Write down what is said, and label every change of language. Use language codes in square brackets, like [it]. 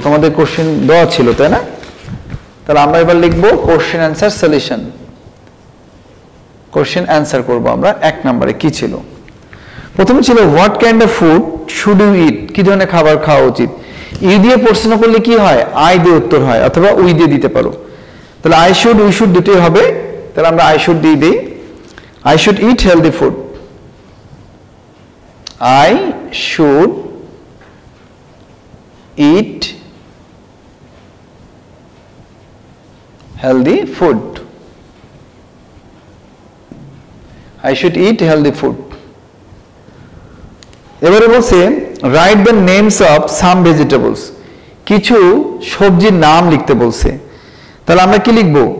[bn] তোমাদের কোশ্চেন দেওয়া ছিল তাই না? তাহলে আমরা এবার লিখব question answer solution, question answer করব আমরা। এক নম্বরে কি ছিল? প্রথমে ছিল [en] what kind of food should you eat, [bn] কি ধরনের খাবার খাওয়া উচিত। ই দিয়ে প্রশ্ন করলে কি হয়? আই দিয়ে উত্তর হয়, অথবা উই দিয়ে দিতে পারো। তাহলে আই শুড উই শুড দুটোই হবে, তাহলে আমরা আই শুড দিয়ে দিই। [en] I should eat healthy food. I should eat healthy food. I should eat healthy food. [bn] এবারে বলছে [en] write the names of some vegetables. [bn] কিছু সবজির নাম লিখতে বলছে, তাহলে আমরা কি লিখব?